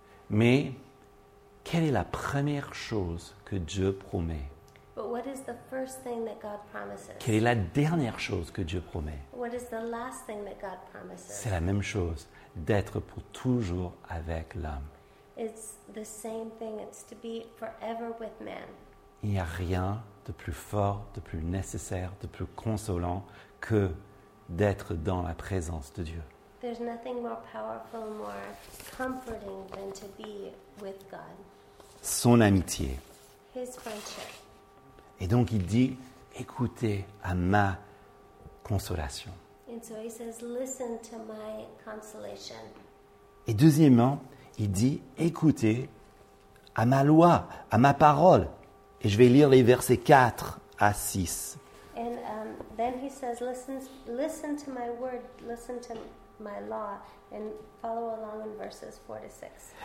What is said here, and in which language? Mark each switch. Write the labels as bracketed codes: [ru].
[fr] Mais quelle est la première chose que Dieu promet? [en] But what is the first thing that God promises? [fr] Quelle est la dernière chose que Dieu promet? [en] What is the last thing that God promises? [fr] C'est la même chose, d'être pour toujours avec l'homme. [en] It's the same thing, it's to be forever with man. [fr] Il n'y a rien de plus fort, de plus nécessaire, de plus consolant que d'être dans la présence de Dieu. [en] There's nothing more powerful, more comforting than to be with God. [fr] Son amitié. [en] His friendship. [fr] Et donc il dit, écoutez à ma consolation. [en] And so he says, listen to my consolation. [fr] Et deuxièmement, il dit, écoutez à ma loi, à ma parole. Et je vais lire les versets 4 à 6. [en] And then he says, listen to my word, listen to my law, and follow along in verses 4 to 6.